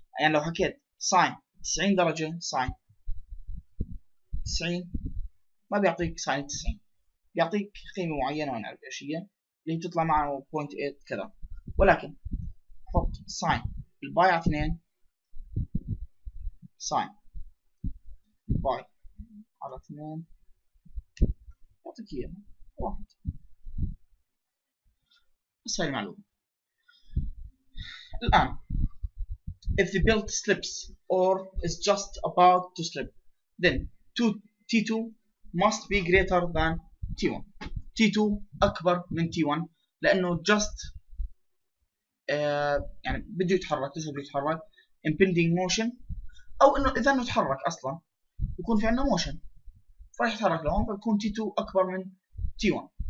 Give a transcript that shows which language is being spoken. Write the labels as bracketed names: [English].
[Arabic] يعني لو حكيت ساين 90 درجة ساين 90 ما بيعطيك ساين 90 يعطيك قيمة معينة ونعرف ايش هي اللي تطلع معه 0.8 كذا. ولكن حط ساين الباي على 2 ساين باي على 2 يعطيك اياها 1. بس هاي المعلومة. [English] الآن if the belt slips or is just about to slip then T2 must be greater than T1. [Arabic] T2 أكبر من T1 لأنه just يعني بده يتحرك لسه بده يتحرك impending motion. أو إنه إذا إنه تحرك أصلا يكون في عندنا motion فراح يتحرك لهون فبكون T2 أكبر من T1.